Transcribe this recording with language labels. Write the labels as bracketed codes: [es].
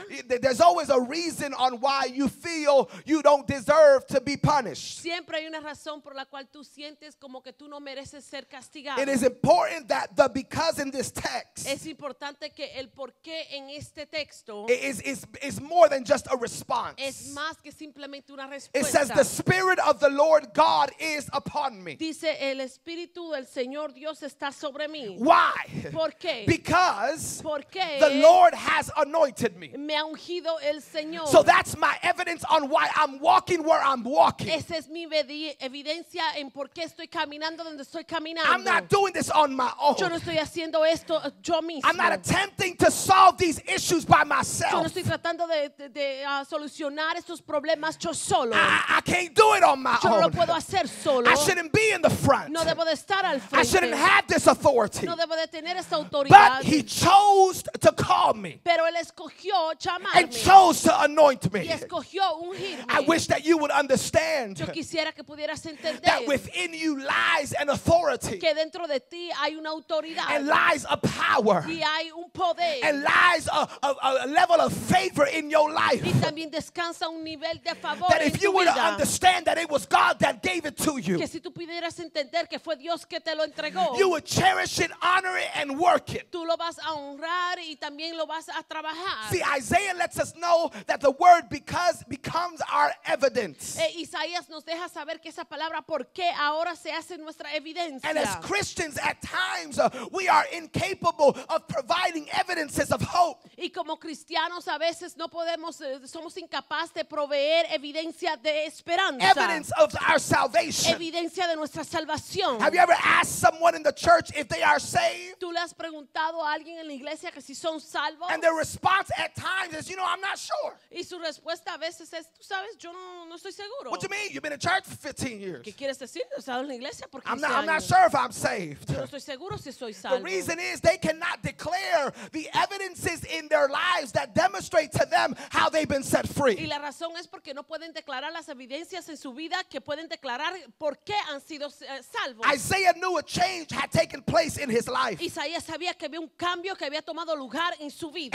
[en] There's always a reason on why you feel you don't deserve to be punished. [es] Siempre hay una razón por la cual tú sientes como que tú no mereces ser castigado. [en] It is important that the because in this text. [es] Es importante que el porqué en este texto. [en] Is more than just a response. [es] Es más que simplemente una respuesta. [en] It says the Spirit of the Lord God is upon me. [es] Dice el Espíritu del Señor Dios está sobre mí. [en] Why? [es] ¿Por qué? [en] Because. [es] ¿Por qué? [en] The Lord has anointed me. [es] Me ha ungido el Señor. [en] So that's my evidence on why I'm walking where I'm walking. [es] Esa es mi evidencia en por qué estoy caminando donde estoy caminando. [en] I'm not doing this on my own. [es] Yo no estoy haciendo esto yo mismo. [en] I'm not attempting to solve these issues by myself. [es] Yo no estoy tratando de solucionar estos problemas yo solo. [en] I can't do it on my own. [es] Yo no lo puedo hacer solo. [en] I shouldn't be in the front. [es] No debo de estar al frente. [en] I shouldn't have this authority. [es] No debo de tener esta autoridad. [en] But he chose to call me and chose to anoint me. I wish that you would understand that within you lies an authority and lies a power and lies a level of favor in your life, that if you would understand that it was God that gave it to you, you would cherish it, honor it, and work it. See, Isaiah lets us know that the word because becomes our evidence. [es] Isaías nos deja saber que esa palabra por qué ahora se hace nuestra evidencia. [en] And as Christians, at times we are incapable of providing evidences of hope. [es] Y como cristianos a veces no podemos, somos incapaces de proveer evidencia de esperanza. [en] Evidence of our salvation. [es] Evidencia de nuestra salvación. [en] Have you ever asked someone in the church if they are saved? [es] ¿Tú le has preguntado a alguien en la iglesia que si son salvos? [en] And their response at times is, you know, I'm not sure. [es] Y su respuesta a veces es, tú sabes, yo no estoy seguro. [en] What do you mean? You've been in church for 15 years. [es] ¿Qué quieres decir? ¿Has estado en la iglesia por 15 años? [en] I'm not sure if I'm saved. [es] Yo no estoy seguro si soy salvo. [en] The reason is they cannot declare the evidences in their lives that demonstrate to them how they've been set free. [es] Y la razón es porque no pueden declarar las evidencias en su vida que pueden declarar por qué han sido salvos. [en] Isaiah knew a change had taken place in his life. [es] Isaías sabía que había un cambio que había tomado lugar en su vida.